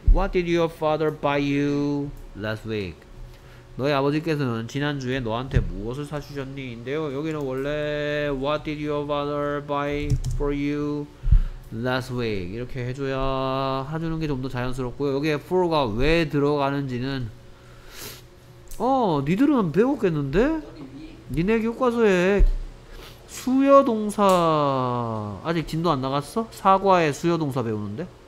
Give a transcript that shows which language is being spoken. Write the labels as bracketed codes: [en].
[en] What did your father buy you last week? [ko] 너의 아버지께서는 지난주에 너한테 무엇을 사주셨니? 인데요. 여기는 원래 [en] What did your father buy for you last week? [ko] 이렇게 해줘야 해주는 게 좀 더 자연스럽고요. 여기에 for가 왜 들어가는지는 니들은 배웠겠는데? 니네 교과서에 수여동사 아직 진도 안 나갔어? 사과의 수여동사 배우는데?